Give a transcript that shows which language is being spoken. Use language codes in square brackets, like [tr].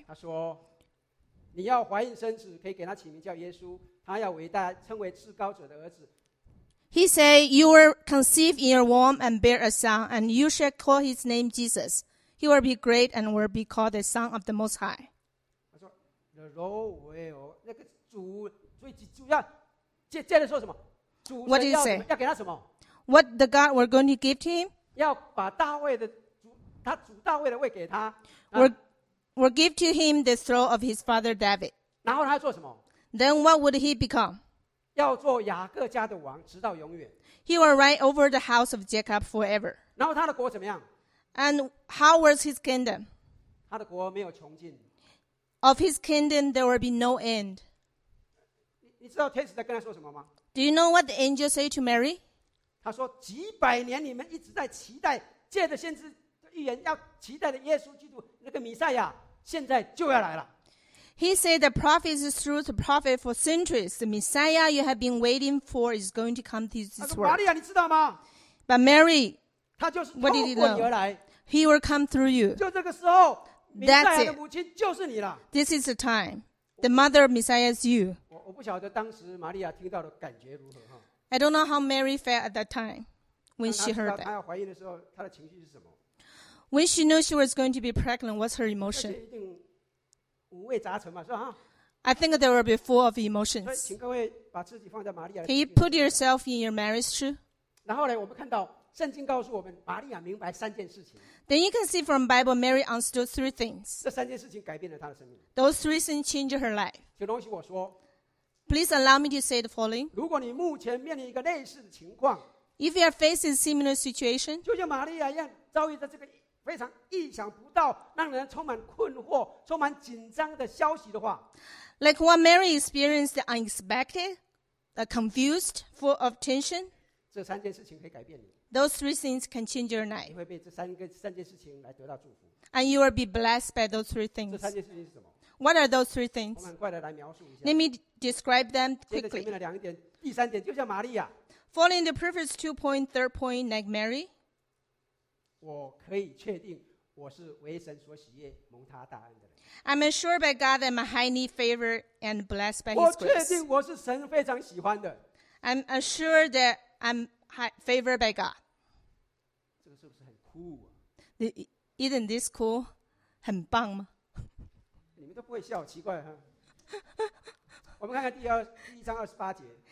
[zh] 她说, 你要怀孕生子, 可以给他起名叫耶稣, 他要伟大称为至高者的儿子。 [en] He said, you will conceive in your womb and bear a son, and you shall call his name Jesus. He will be great and will be called the Son of the Most High. [zh] 他说,那个主,最主要,接着说什么? [en] What did he say? [zh] 要给他什么? [en] What the God were going to give to him? [zh] 要把大卫的,他主大卫的位给他, [en] will give to him the throne of his father David. [zh] 然后他做什么? [en] Then what would he become? [zh] 要做雅各家的王直到永远。 [en] He will reign over the house of Jacob forever. [zh] 然后他的国怎么样? [en] And how was his kingdom? [zh] 他的国没有穷尽。 [en] Of his kingdom there will be no end. [zh] 你知道天使在跟他说什么吗? [en] Do you know what the angel said to Mary? [zh] 他说几百年你们一直在期待借着先知预言要期待的耶稣基督那个弥赛亚现在就要来了。 [en] He said the prophet is through the prophet for centuries. The Messiah you have been waiting for is going to come to this world. [zh] 玛利亚，你知道吗? [en] But Mary, what did he know? He will come through you. [zh] 就这个时候, [en] That's it. [zh] 弥赛亚的母亲就是你了。 [en] This is the time. The mother of Messiah is you. [zh] 我不晓得当时玛利亚听到的感觉如何。 [en] I don't know how Mary felt at that time when she heard that. [zh] 她要怀孕的时候, 她的情绪是什么? [en] When she knew she was going to be pregnant, what's her emotion? [zh] 五味杂陈嘛, [en] I think they will be full of emotions. Can you put yourself in your marriage shoe? [zh] 然后呢,我们看到圣经告诉我们玛利亚明白三件事情。 [en] You can see from the Bible, Mary understood three things. [zh] 这三件事情改变了她的生命。 [en] Those three things changed her life. [zh] 请容许我说, [en] Please allow me to say the following. [zh] 如果你目前面临一个类似的情况, [en] If you are facing a similar situation, [zh] 就像玛利亚一样遭遇的这个 非常意想不到,让人充满困惑,充满紧张的消息的话, [en] like what Mary experienced, unexpected, confused, full of tension, [zh] 这三件事情可以改变你, [en] those three things can change your life. [zh] 你会被这三件事情来得到祝福, [en] and you will be blessed by those three things. [zh] 这三件事情是什么? [en] What are those three things? [zh] 我们很快地来描述一下, [en] let me describe them quickly. [zh] 接着前面的两点,第三点,就像玛利亚, [en] following the previous two point, third point, like Mary, [zh] 我可以确定我是为神所喜悦蒙他大恩的人。 [en] I'm assured by God that I'm highly favored and blessed by His [zh] 我确定我是神非常喜欢的。 [en] I'm assured that I'm favored by God. [zh] 这个是不是很酷啊? [en] Isn't this cool? [zh] 很棒吗? 你们都不会笑,奇怪哈?我们看看第一章28节。